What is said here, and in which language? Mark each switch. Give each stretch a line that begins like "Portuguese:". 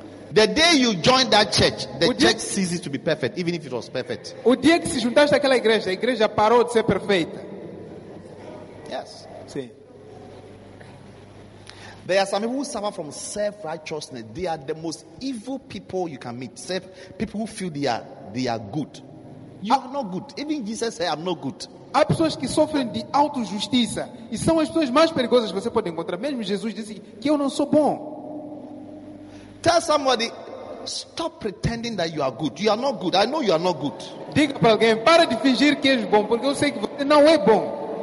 English: The day you join that church, the church ceases to be perfect, even if it was perfect.
Portuguese: O dia que se juntaste àquela igreja, a igreja parou de ser perfeita.
English: Yes.
Portuguese: Sim.
English: There are some people who suffer from self-righteousness. They are the most evil people you can meet. People who feel they are good. You are not good. Even Jesus said, I'm not good.
Portuguese: Há pessoas que sofrem de auto-justiça e são as pessoas mais perigosas que você pode encontrar. Mesmo Jesus disse que eu não sou bom.
English: Tell somebody, stop pretending that you are good. You are not good. I know you are not good.
Portuguese: Diga para alguém, para de fingir que és bom, porque eu sei que você não é bom.